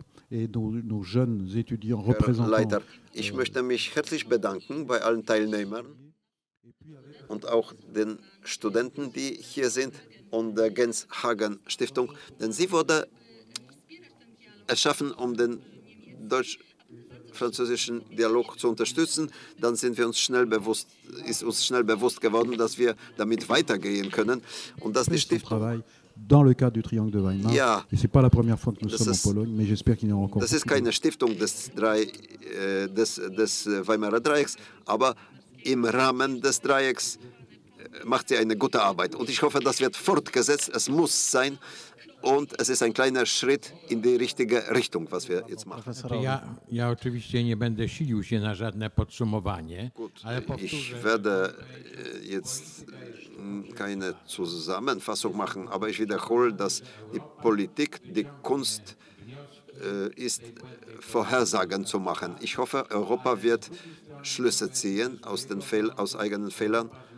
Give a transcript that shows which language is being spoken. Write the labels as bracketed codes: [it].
[fr] Et nos jeunes étudiants représentants. [de] Leiter, ich möchte mich herzlich bedanken bei allen Teilnehmern und auch den Studenten, die hier sind, und der Gens-Hagen-Stiftung, denn sie wurde erschaffen, um den deutsch-französischen Dialog zu unterstützen. Dann sind wir uns schnell bewusst, ist uns schnell bewusst geworden, dass wir damit weitergehen können, und dass die Stiftung [fr] dans le cadre du Triangle de Weimar. Ja. Et c'est pas la première fois que nous sommes en Pologne, mais j'espère qu'il y en aura encore. [de] Das ist keine Stiftung des Weimarer Dreiecks, aber im Rahmen des Dreiecks macht sie eine gute Arbeit. Und ich hoffe, das wird fortgesetzt. Es muss sein. Und es ist ein kleiner Schritt in die richtige Richtung, was wir jetzt machen. [pl] Ja oczywiście nie będę silił się na żadne podsumowanie. [de] Gut, ich werde jetzt keine Zusammenfassung machen, aber ich wiederhole, dass die Politik, die Kunst ist, Vorhersagen zu machen. Ich hoffe, Europa wird Schlüsse ziehen aus eigenen Fehlern.